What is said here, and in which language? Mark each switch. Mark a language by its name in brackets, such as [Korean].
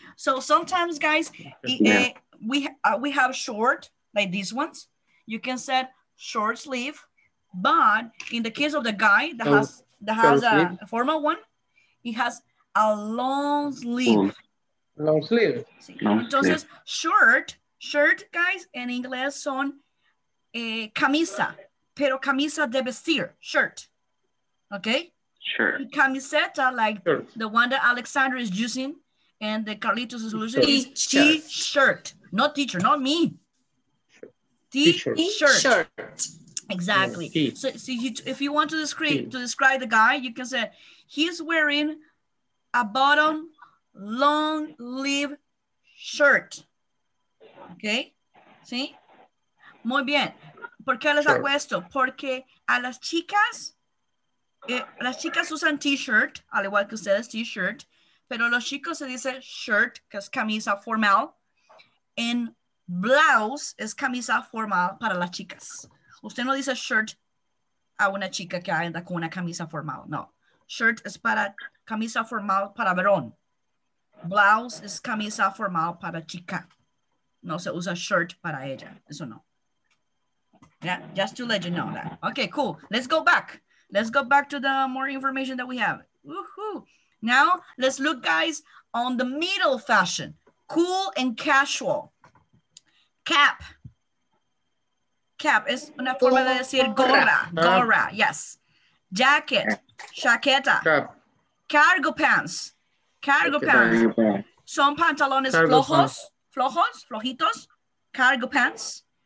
[English] So sometimes, guys, we have short, like these ones. You can say short sleeve, But in the case of the guy that has a formal one, he has a long sleeve. Long sleeve. [Spanish] Entonces, shirt, guys, en inglés son camisa, pero camisa de vestir, shirt. [English] Okay? Shirt. Sure. Camiseta, like the one that Alexander is using and the Carlitos is using, is T-shirt. Not teacher, not me. T-shirt. Exactly. So see, if you want to describe the guy, you can say he's wearing a bottom long sleeve shirt. [Spanish] Okay? ¿Sí? Muy bien. ¿Por qué les hago esto? Porque a las chicas usan t-shirt, al igual que ustedes t-shirt, pero los chicos se dice shirt, que es camisa formal, en blouse es camisa formal para las chicas. Usted no dice shirt a una chica que anda con una camisa formal. No. Shirt es para camisa formal para varón. Blouse es camisa formal para chica. No se usa shirt para ella. Eso no. [English] Yeah, just to let you know that. Okay, cool. Let's go back to the more information that we have. Woohoo. Now, let's look, guys, on the middle fashion. Cool and casual. Cap. [Spanish] Cap es una forma de decir gorra, yes. [English] Jacket, chaqueta. Cap. [Spanish] Cargo pants. Son pantalones flojitos, cargo pants.